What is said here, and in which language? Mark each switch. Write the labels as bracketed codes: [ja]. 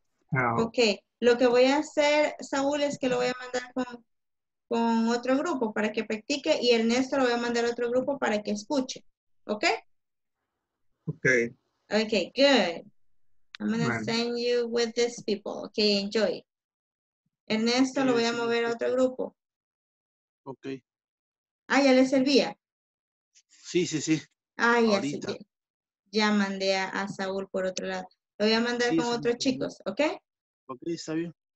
[es] No. Ok, lo que voy a hacer, Saúl, es que lo voy a mandar con otro grupo para que practique y Ernesto lo voy a mandar a otro grupo para que escuche. ¿Ok? Ok. [en] Ok, good. I'm going to send you with these people. Ok, enjoy. [es] Ernesto lo voy a mover a otro grupo. Ok. Ah, ¿ya le servía? Sí, sí, sí. Ah, ya sí. Ya mandé a Saúl por otro lado. Lo voy a mandar con otros chicos. ¿Ok? Ok, está bien.